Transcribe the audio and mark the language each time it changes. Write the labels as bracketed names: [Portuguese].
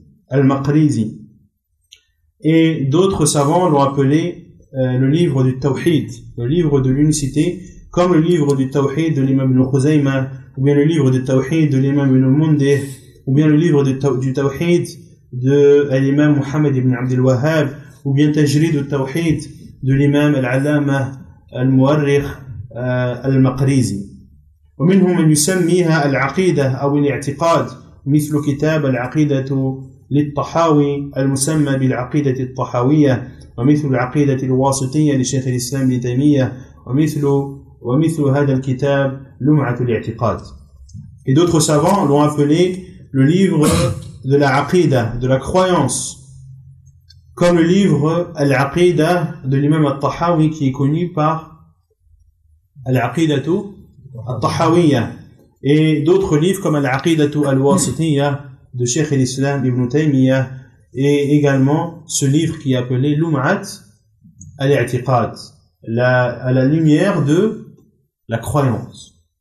[French] المقريزي et d'autres savants l'ont appelé le livre du Tawhid, le livre de l'unicité, comme le livre du Tawhid de l'imam Ibn Khuzayma, ou bien le livre du Tawhid de l'imam Ibn Mundir, ou bien le livre du Tawhid de l'imam Muhammad Ibn Abdel Wahhab, ou bien Tajrid du Tawhid de l'imam Al-Alama Al-Muarrikh Al-Maqrizi. Ou bien il y a aussi Al-Aqidah ou Al-I'tiqad, comme le kitab Al-Aqidah [Arabic] للطحاوي المسمى بالعقيدة الطحاوية ومثل العقيدة الواسطية لشيخ الإسلام ابن تيمية ومثل هذا الكتاب لمعة الاعتقاد. [French] Et d'autres savants l'ont appelé le livre de la aqida, de la croyance, comme le livre العقيدة de l'imam الطحاوي qui est connu par العقيدة الطحاوية. Et d'autres livres comme العقيدة الواسطية de Cheikh al-Islam Ibn Taymiyyah et également ce livre qui est appelé Lum'at al-I'tiqad, à la lumière de la croyance.